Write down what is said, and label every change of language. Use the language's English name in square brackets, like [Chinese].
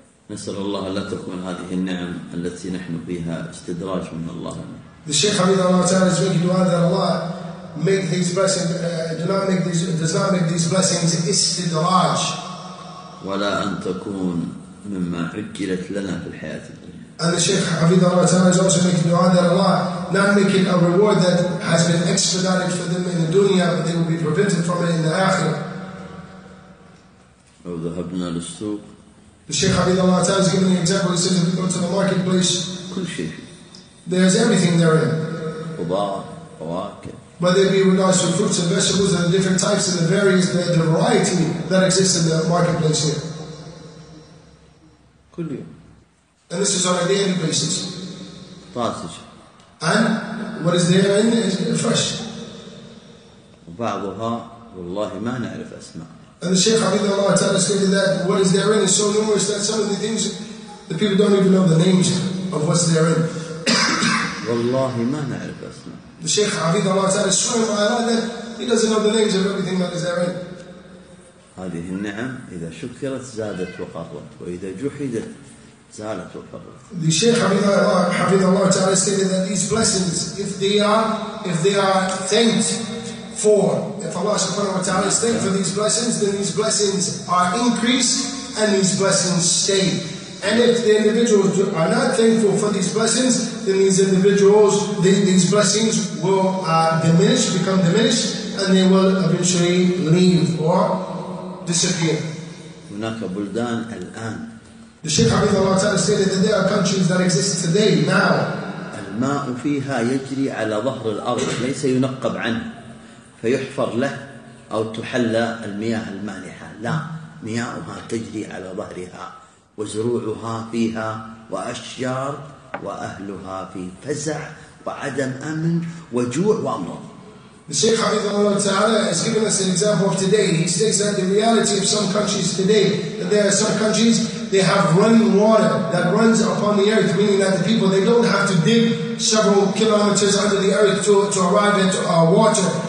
[Arabic] نسأل الله لا تكون هذه النعم التي نحن فيها استدراج من الله. [English] The Shaykh Hafidh Allah ta'ala is making dua that Allah make these blessings, does not make these blessings istidraj. [Arabic] ولا أن تكون مما عجلت لنا في الحياة الدنيا. [English] And the Shaykh Hafidh Allah ta'ala is also making dua that Allah not make it a reward that has been expedited for them in the dunya, but they will be prevented from it in the akhir. [Arabic] أو ذهبنا للسوق. [English] The Shaykh Hafidh Allah ta'ala is giving an example. He says if we go to the marketplace, [Arabic] كل شيء. [English] There's everything therein. [Arabic] خضار، فواكه، [English] But they'd be regards to fruits and vegetables and the different types and the various, the variety that exists in the marketplace here. [Arabic] كل يوم. [English] And this is on a daily basis. [Arabic] طازج. [English] And what is there in it is fresh. [Arabic] وبعضها والله ما نعرف أسماء. [English] And the Shaykh Abid Allah Ta'ala stated that what is therein is so numerous that some of the things, the people don't even know the names of what's therein. [Arabic] وَاللَّهِ مَا نَعْرِفْ أَسْمَا. [English] The Shaykh Abid Allah Ta'ala swearing by Allah that he doesn't know the names of everything that is therein. [Arabic] هذه النعم إذا شكرت زادت وقررت وإذا جحدت زالت وقررت. [English] The Shaykh Abid Allah Ta'ala stated that these blessings, if they are thanked for, if Allah subhanahu wa ta'ala is thanked for these blessings, then these blessings are increased and these blessings stay. And if the individuals are not thankful for these blessings, then these individuals, these blessings will diminish, become diminished, and they will eventually leave or disappear. [Arabic] هناك بلدان الآن. [English] The Shaykh Abid Allah Ta'ala stated that there are countries that exist today, now. [Arabic] الماء فيها يجري على ظهر الأرض ليس ينقب عنه. فيحفر له أو تحلى المياه المالحة لا مياهها تجري على ظهرها وزروعها فيها وأشجار وأهلها في فزع وعدم أمن وجوع وأمراض. [English] The Shaykh Abid Allah Ta'ala has given us an example of today. He states that the reality of some countries today, that there are some countries, they have running water that runs upon the earth, meaning that the people, they don't have to dig several kilometers under the earth to arrive at water.